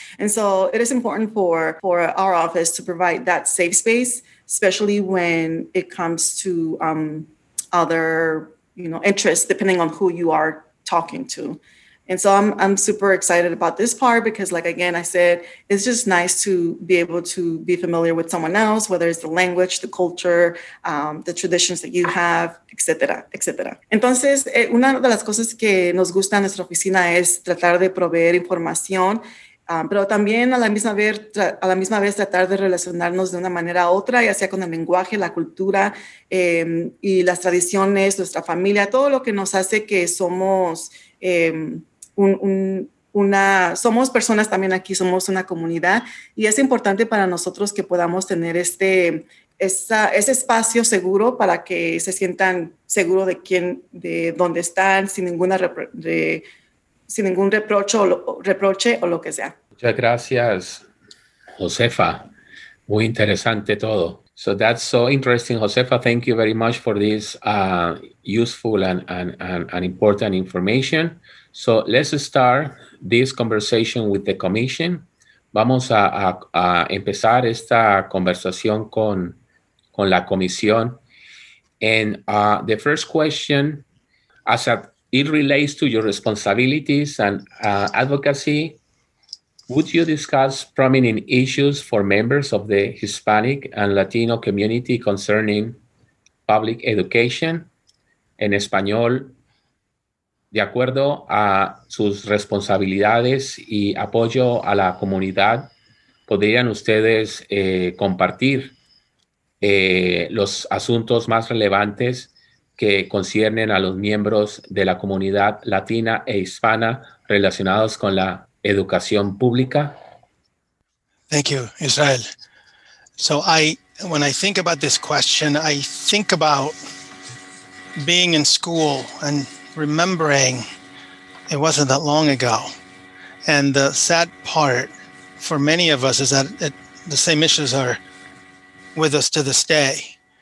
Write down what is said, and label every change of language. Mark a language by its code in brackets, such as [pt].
[en] And so it is important for our office to provide that safe space, especially when it comes to other, interests, depending on who you are talking to. And so I'm super excited about this part because, like, again, I said, it's just nice to be able to be familiar with someone else, whether it's the language, the culture, the traditions that you have, etcétera. [es] Entonces, una de las cosas que nos gusta en nuestra oficina es tratar de proveer información, pero también a la misma vez tratar de relacionarnos de una manera u otra, ya sea con el lenguaje, la cultura y las tradiciones, nuestra familia, todo lo que nos hace que somos somos personas también aquí, somos una comunidad, y es importante para nosotros que podamos tener ese espacio seguro para que se sientan seguro de quién, de dónde están, sin ningún reproche o lo que sea. Muchas gracias, Josefa. Muy interesante todo. [en] So that's so interesting, Josefa. Thank you very much for this useful and important information. So let's start this conversation with the commission. [es] Vamos a empezar esta conversación con la comisión. [en] And the first question, as it relates to your responsibilities and advocacy, would you discuss prominent issues for members of the Hispanic and Latino community concerning public education [es] en español? De acuerdo a sus responsabilidades y apoyo a la comunidad, ¿podrían ustedes compartir los asuntos más relevantes que conciernen a los miembros de la comunidad latina e hispana relacionados con la educación pública? [en] Thank you, Israel. So when I think about this question, I think about being in school and remembering it wasn't that long ago. And the sad part for many of us is that the same issues are with us to this day.